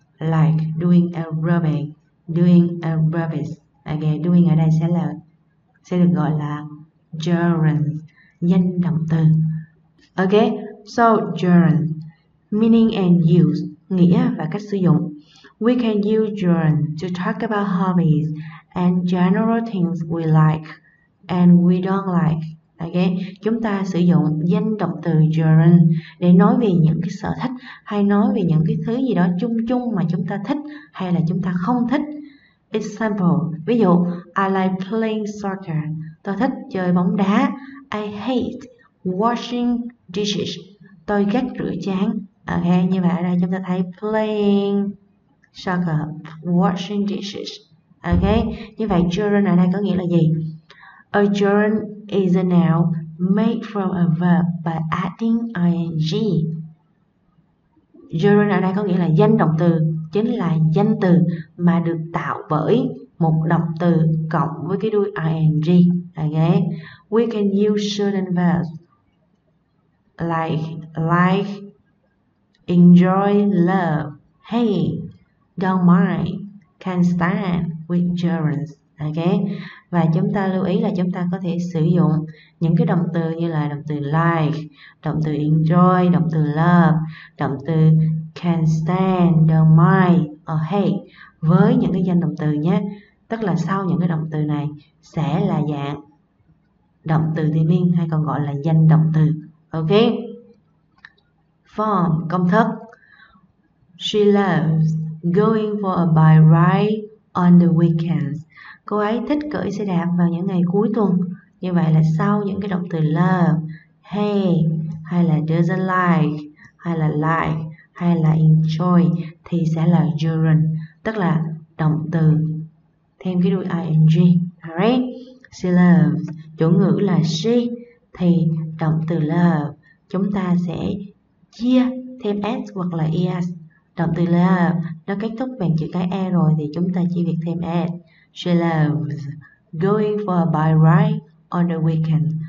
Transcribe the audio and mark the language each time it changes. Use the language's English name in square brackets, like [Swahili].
[English] Like doing aerobics. Doing aerobics. [Vietnamese] Ok, doing ở đây sẽ được gọi là gerund, danh động từ. [English] Ok, so gerund, meaning and use, [Vietnamese] nghĩa và cách sử dụng. [English] We can use gerund to talk about hobbies and general things we like and we don't like. [Vietnamese] Ok, chúng ta sử dụng danh động từ gerund để nói về những cái sở thích hay nói về những cái thứ gì đó chung chung mà chúng ta thích hay là chúng ta không thích. [English] Example, ví dụ, I like playing soccer. [Vietnamese] Tôi thích chơi bóng đá. [English] I hate washing dishes. [Vietnamese] Tôi ghét rửa chén. Ok, như vậy ở đây chúng ta thấy playing soccer, washing dishes. Ok, như vậy gerund ở đây có nghĩa là gì? [English] A gerund is a noun made from a verb by adding ing. [Vietnamese] Gerund ở đây có nghĩa là danh động từ, chính là danh từ mà được tạo bởi một động từ cộng với cái đuôi ing. [English] Ok, we can use certain verbs like, enjoy, love, hate, don't mind, can't stand with gerunds. [Vietnamese] Ok, và chúng ta lưu ý là chúng ta có thể sử dụng những cái động từ như là động từ like, động từ enjoy, động từ love, động từ can stand, don't mind, or hate với những cái danh động từ nhé. Tức là sau những cái động từ này sẽ là dạng động từ thiên nhiên hay còn gọi là danh động từ. Ok, form, công thức. [English] She loves going for a bike ride on the weekends. [Vietnamese] Cô ấy thích cưỡi xe đạp vào những ngày cuối tuần. Như vậy là sau những cái động từ love, hey, hay là doesn't like, hay là enjoy, thì sẽ là gerund, tức là động từ thêm cái đuôi ing. Alright, she loves, chủ ngữ là she, thì động từ love chúng ta sẽ chia thêm s hoặc là es. Động từ love nó kết thúc bằng chữ cái e rồi thì chúng ta chỉ việc thêm s. [English] She loves going for a bike ride on the weekend.